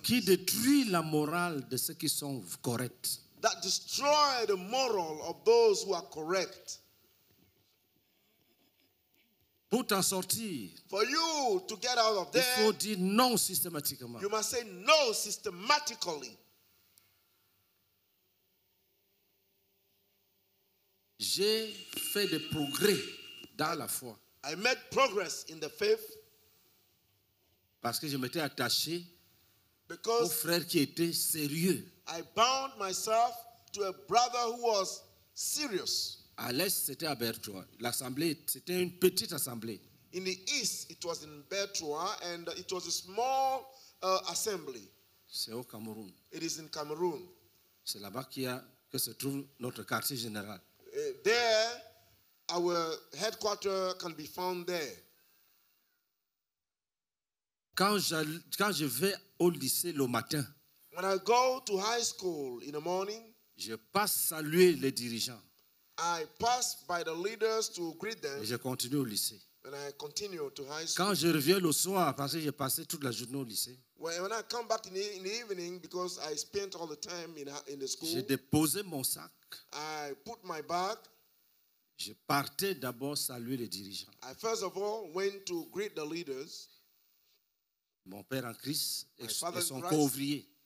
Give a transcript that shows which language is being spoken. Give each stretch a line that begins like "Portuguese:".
French: qui détruit la morale de ceux qui sont corrects.
English: That destroy the moral of those who are correct.
French: Pour t'en sortir,
English: for you to get out of there,
French: il faut dire non systématiquement.
English: You must say no systematically.
French: J'ai fait des progrès dans la foi.
English: I made progress in the faith.
French: Parce que je m'étais attaché
English: because
French: au frère qui était sérieux.
English: I bound myself to a brother who was serious.
French: À l'est, c'était à Bertrois. L'assemblée, c'était une petite assemblée.
English: In the east, it was in Bertrois, and it was a small assembly.
French: C'est au Cameroun.
English: It is in Cameroon.
French: C'est là-bas que se trouve notre quartier général.
English: There, our headquarters can be found there.
French: Quand je vais au lycée le matin,
English: when I go to high school in the morning,
French: je passe saluer les dirigeants.
English: I pass by the leaders to greet them.
French: Et je continue au lycée.
English: When I continue to high school.
French: Quand je reviens le soir, parce que j'ai passé toute la journée au lycée,
English: when I come back in the evening because I spent all the time in the school,
French: j'ai déposé mon sac.
English: I put my bag.
French: Je partais d'abord saluer les dirigeants.
English: I first of all went to greet the leaders.
French: Mon père en Christ et son co-ouvrier.